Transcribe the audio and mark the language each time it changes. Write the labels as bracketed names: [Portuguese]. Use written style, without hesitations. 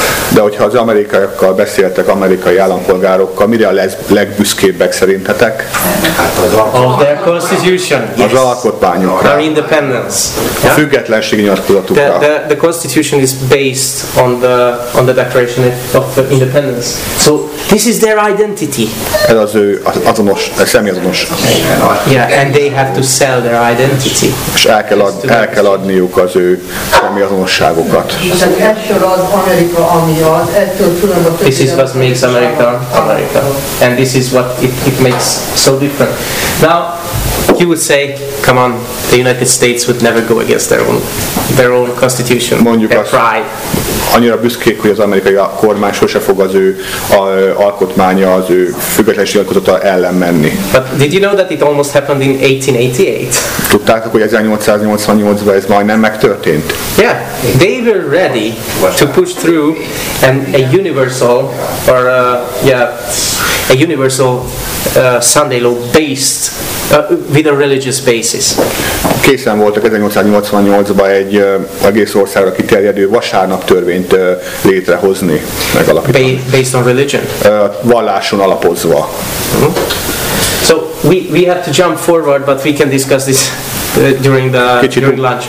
[Hungarian] De hogyha az amerikaiakkal beszéltek, amerikai állampolgárokkal, mire a legbüszkébbek szerintetek? [English] Of their constitution. [Hungarian] Az alkotmányokra. [English] Their independence. [Hungarian] A függetlenség nyilatkozatukra. [English] The constitution is based on the declaration of the independence. So this is their identity. [Hungarian] Ez az ő azonos, a személyazonos. [English] Yeah, and they have to sell their identity. [Hungarian] És el kell adniuk az ő személyazonosságukat. [English] This is what makes America America, and this is what it makes so different. Now, you would say, come on, the United States would never go against their own constitution. [Hungarian] Mondjuk [English] their pride. [Hungarian] Annyira büszkék, hogy az amerikai kormány sose fog az ő alkotmánya, az ő függetlenség nyilatkozata ellen menni. [English] But did you know that it almost happened in 1888? [Hungarian] Tudták, hogy 1888-ban ez majdnem megtörtént? [English] Yeah, they were ready to push through a universal Sunday law based with a religious basis. [Hungarian] Készen voltak 1888-ban egy egész országra kiterjedő vasárnap törvényt létrehozni, megalapítani. [English] Based on religion. [Hungarian] Valláson alapozva. Mm-hmm. [English] So we have to jump forward, but we can discuss this during lunch.